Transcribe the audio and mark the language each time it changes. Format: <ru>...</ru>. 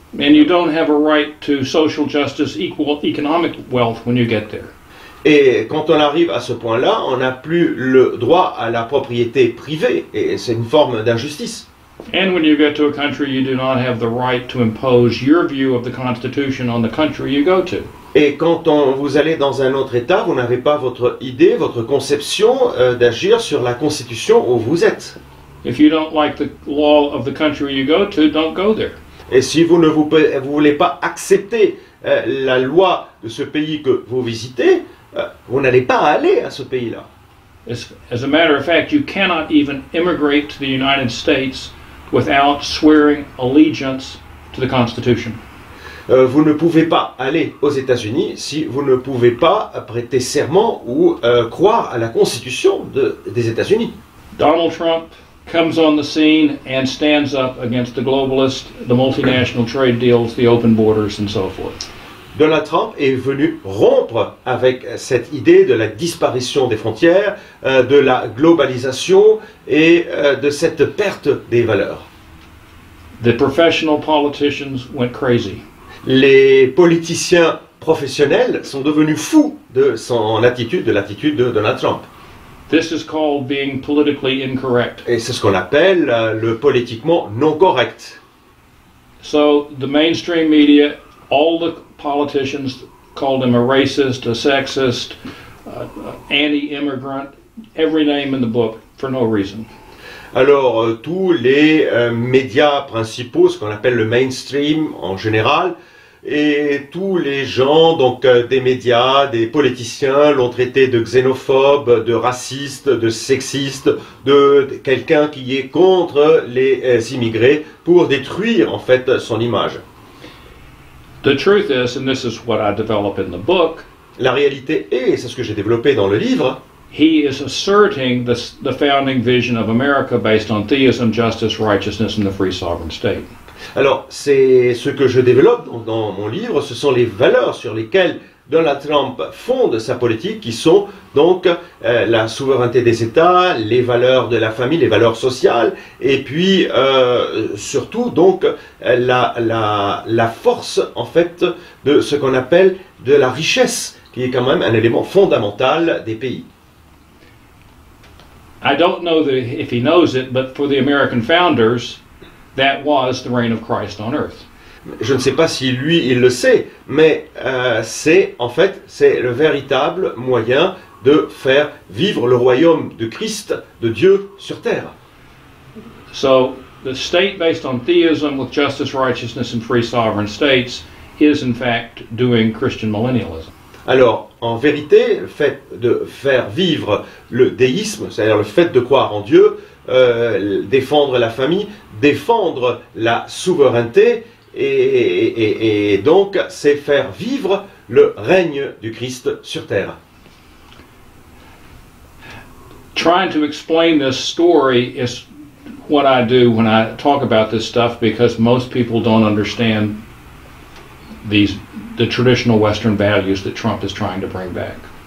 <en>And you don't have a right to social justice, equal economic wealth when you get there.</en> <fr>Et quand on arrive à ce point-là, on n'a plus le droit à la propriété privée. Et c'est une forme d'injustice.</fr> <en>And when you get to a country, you do not have the right to impose your view of the Constitution on the country you go to.</en> <fr>Et quand vous allez dans un autre État, vous n'avez pas votre idée, votre conception d'agir sur la Constitution où vous êtes.</fr> <en>If you don't like the law of the country you go to, don't go there.</en> <fr>Et si vous ne vous voulez pas accepter la loi de ce pays que vous visitez, vous n'allez pas aller à ce pays-là.</fr> <en>As a matter of fact, you cannot even immigrate to the United States without swearing allegiance to the Constitution.</en> <fr>Vous ne pouvez pas aller aux États-Unis si vous ne pouvez pas prêter serment ou croire à la Constitution des États-Unis.</fr> <en>Donald Trump comes on the scene and stands up against the globalists, the multinational trade deals, the open borders, and so forth.</en> <fr>Donald Trump est venu rompre avec cette idée de la disparition des frontières, de la globalisation et de cette perte des valeurs.</fr> <en>The professional politicians went crazy.</en> <fr>Les politiciens professionnels sont devenus fous de son attitude, de l'attitude de Donald Trump.</fr> <en>This is called being politically incorrect.</en> <fr>Et c'est ce qu'on appelle le politiquement non correct.</fr> <en>So the mainstream media, all the politicians called him a racist, a sexist, anti-immigrant, every name in the book for no reason.</en> <fr>Alors tous les médias principaux, ce qu'on appelle le mainstream en général, et tous les gens, donc des médias, des politiciens, l'ont traité de xénophobe, de raciste, de sexiste, de quelqu'un qui est contre les immigrés pour détruire en fait son image.</fr> <en>The truth is, and this is what I develop in the book,</en> <fr>la réalité est, et c'est ce que j'ai développé dans le livre,</fr> <en>he is asserting the founding vision of America based on theism, justice, righteousness, and the free sovereign state.</en> <fr>Alors, c'est ce que je développe dans mon livre, ce sont les valeurs sur lesquelles Donald Trump fonde sa politique, qui sont donc la souveraineté des États, les valeurs de la famille, les valeurs sociales, et puis surtout donc la force en fait de ce qu'on appelle de la richesse, qui est quand même un élément fondamental des pays.</fr> <en>I don't know if he knows it, but for the American founders, that was the reign of Christ on earth.</en> <fr>Je ne sais pas si lui il le sait, mais c'est le véritable moyen de faire vivre le royaume de Christ, de Dieu, sur terre.</fr> <en>So the state based on theism with justice, righteousness, and free sovereign states is in fact doing Christian millennialism.</en> <fr>Alors, en vérité, le fait de faire vivre le déisme, c'est-à-dire le fait de croire en Dieu, défendre la famille, défendre la souveraineté, et donc c'est faire vivre le règne du Christ sur terre.</fr> <en>Trying to explain this story is what I do when I talk about this stuff because most people don't understand the traditional Western values that Trump is trying to bring back.</en>